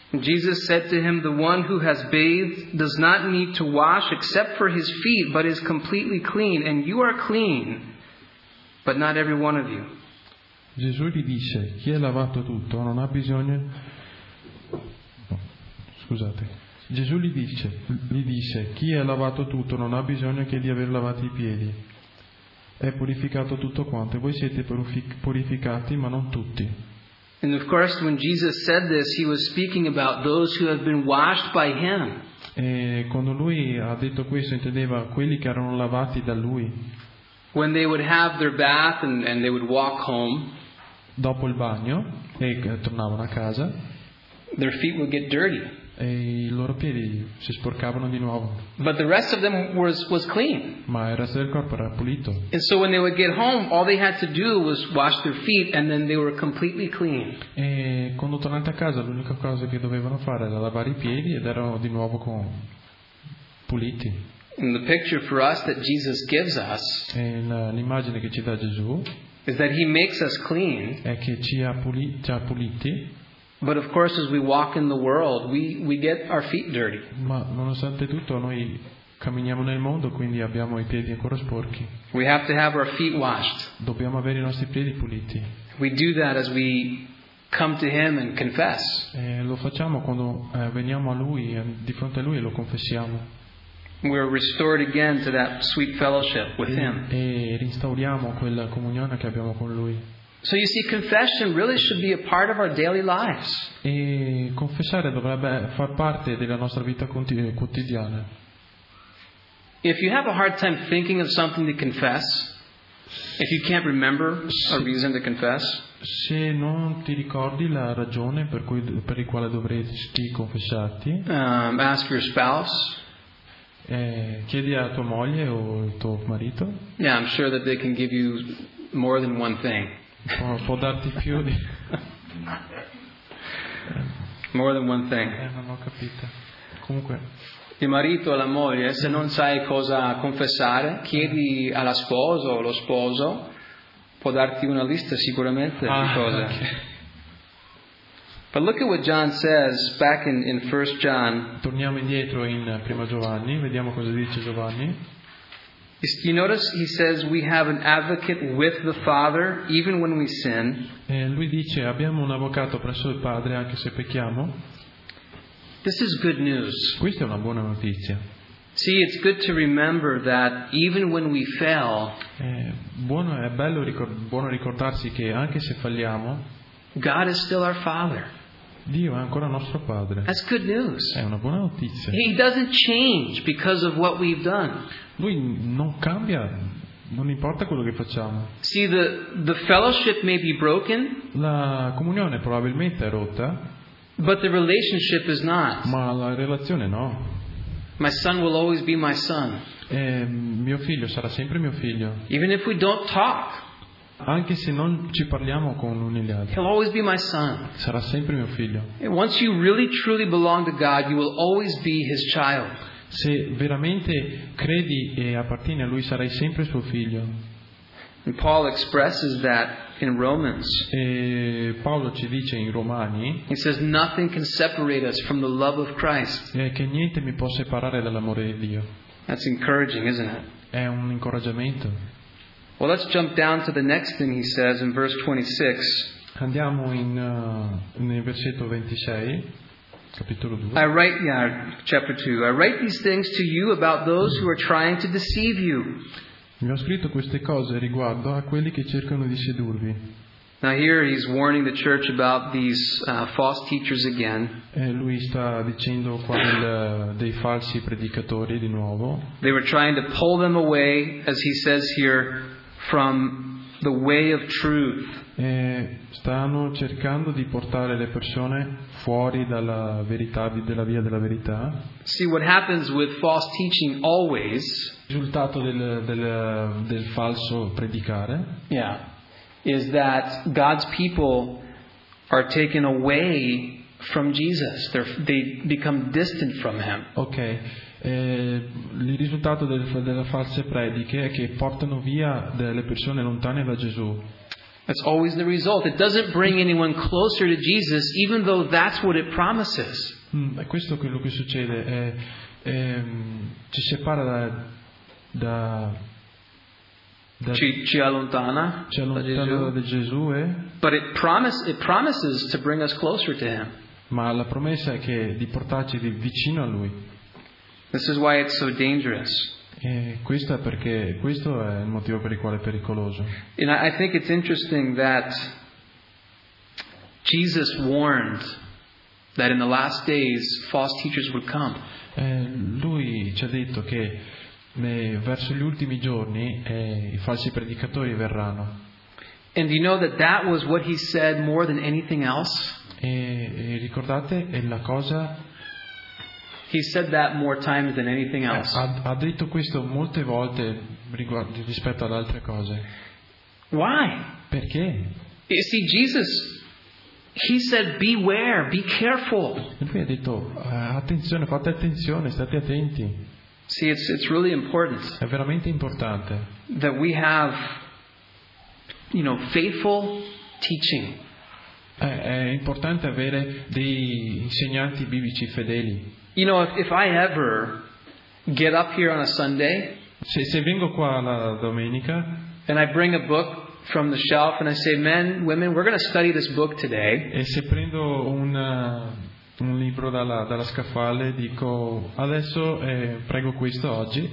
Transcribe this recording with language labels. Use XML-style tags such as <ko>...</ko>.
<en>Jesus said to him, "The one who has bathed does not need to wash except for his feet, but is completely clean. And you are clean, but not every one of you."</en> <it>Gesù gli disse: chi è lavato tutto non ha bisogno. Scusate. Gesù gli disse: chi è lavato tutto non ha bisogno che di aver lavato i piedi. È purificato tutto quanto. Voi siete purificati, ma non tutti.</it> <en>And of course, when Jesus said this, he was speaking about those who have been washed by him.</en> <it>E quando lui ha detto questo, intendeva quelli che erano lavati da lui.</it> <en>When they would have their bath and they would walk home.</en> <it>Dopo il bagno e tornavano a casa.</it> <en>Their feet would get dirty.</en> <it>E i loro piedi si sporcavano di nuovo.</it> <en>But the rest of them was clean.</en> <it>Ma il resto del corpo era pulito.</it> <en>And so when they would get home, all they had to do was wash their feet, and then they were completely clean.</en> <it>E quando tornate a casa, l'unica cosa che dovevano fare era lavare i piedi ed erano di nuovo puliti.</it> <en>And the picture for us that Jesus gives us.</en> <it>E l'immagine che ci dà Gesù.</it> <en>Is that he makes us clean.</en> <it>È che ci ha puliti.</it> <en>But of course, as we walk in the world, we get our feet dirty.</en> <it>Ma nonostante tutto, noi camminiamo nel mondo, quindi abbiamo i piedi ancora sporchi.</it> <en>We have to have our feet washed.</en> <it>Dobbiamo avere i nostri piedi puliti.</it> <en>We do that as we come to Him and confess.</en> <it>E lo facciamo quando veniamo a Lui, di fronte a Lui, e lo confessiamo.</it> <en>We're restored again to that sweet fellowship with Him.</en> <it>E ristauriamo quella comunione che abbiamo con Lui.</it> <en>So you see, confession really should be a part of our daily lives.</en> <it>E confessare dovrebbe far parte della nostra vita quotidiana.</it> <en>If you have a hard time thinking of something to confess, if you can't remember a reason to confess,</en> <it>se non ti ricordi la ragione per il quale dovresti confessarti,</it> <en>ask your spouse.</en> <it>Chiedi a tua moglie o al tuo marito.</it> <en>Yeah, I'm sure that they can give you more than one thing.</en> <it>Può darti più di.</it> <en>More than one thing.</en> <it>Non ho capito. Comunque. Il marito o la moglie, se non sai cosa confessare, chiedi alla sposa o lo sposo, può darti una lista sicuramente di cose.</it> <en>Okay. But look at what John says back in 1 John.</en> <it>Torniamo indietro in Prima Giovanni, vediamo cosa dice Giovanni.</it> <en>You notice he says we have an advocate with the Father even when we sin.</en> <it>E lui dice abbiamo un avvocato presso il Padre anche se pecchiamo.</it> <en>This is good news.</en> <it>Questa è una buona notizia.</it> <en>See, it's good to remember that even when we fail.</en> <it>È bello ricordarsi che anche se falliamo,</it> <en>God is still our Father.</en> <it>Dio è ancora nostro padre.</it> <en>That's good news.</en> <it>È una buona notizia.</it> <en>He doesn't change because of what we've done.</en> <it>Lui non cambia, non importa quello che facciamo.</it> <en>See, the fellowship may be broken.</en> <it>La comunione probabilmente è rotta.</it> <en>But the relationship is not.</en> <it>Ma la relazione no.</it> <en>My son will always be my son.</en> <it>E mio figlio sarà sempre mio figlio.</it> <en>Even if we don't talk.</en> <it>Anche se non ci parliamo con l'uno e gli altri.</it> <en>He'll always be my son.</en> <it>Sarà sempre mio figlio.</it> <en>And once you really truly belong to God, you will always be his child.</en> <it>Se veramente credi e appartieni a lui, sarai sempre suo figlio.</it> <en>And Paul expresses that in Romans.</en> <it>E Paolo ci dice in Romani.</it> <en>He says nothing can separate us from the love of Christ.</en> <it>Che niente mi può separare dall'amore di Dio.</it> <en>That's encouraging, isn't it?</en> <it>È un incoraggiamento.</it> <en>Well, let's jump down to the next thing he says in verse 26.</en> <it>Andiamo in nel versetto 26. Capitolo 2.</it> <en>I write these things to you about those who are trying to deceive you.</en> <it>Mi ho scritto queste cose riguardo a quelli che cercano di sedurvi.</it> <en>Now here he's warning the church about these false teachers again.</en> <it>E lui sta dicendo qua dei falsi predicatori di nuovo.</it> <en>They were trying to pull them away, as he says here, from the way of truth.</en> <it>E stanno cercando di portare le persone fuori dalla verità, della via della verità.</it> <en>See what happens with false teaching always.</en> <it>Risultato del falso predicare.</it> <en>Yeah. Is that God's people are taken away from Jesus. They become distant from him. Okay.</en> <it>Il risultato delle false prediche è che portano via delle persone lontane da Gesù.</it> <en>That's always the result. It doesn't bring anyone closer to Jesus, even though that's what it promises.</en> <it>È questo quello che succede. Ci separa da ci allontana da Gesù.</it> <en>But it promises to bring us closer to him.</en> <it>Ma la promessa è che di portarci vicino a lui.</it> <en>This is why it's so dangerous.</en> <it>Questo è il motivo per il quale è pericoloso.</it> <en>And I think it's interesting that Jesus warned that in the last days false teachers would come.</en> <it>Lui ci ha detto che verso gli ultimi giorni i falsi predicatori verranno.</it> <en>And you know that was what he said more than anything else?</en> <it>E ricordate è la cosa.</it> <en>He said that more times than anything else.</en> <it>Ha detto questo molte volte rispetto ad altre cose.</it> <en>Why?</en> <it>Perché?</it> <en>You see, Jesus, he said, beware, be careful.</en> <it>E lui ha detto, attenzione, fate attenzione, state attenti.</it> <en>See, it's really important.</en> <it>È veramente importante.</it> <en>That we have, you know, faithful teaching.</en> <it>È importante avere dei insegnanti biblici fedeli.</it> <en>You know, if I ever get up here on a Sunday,</en> <it>se vengo qua la domenica,</it> <en>and I bring a book from the shelf and I say, "Men, women, we're going to study this book today."</en> <it>E se prendo un libro dalla scaffale, dico, "Adesso prego questo oggi."</it>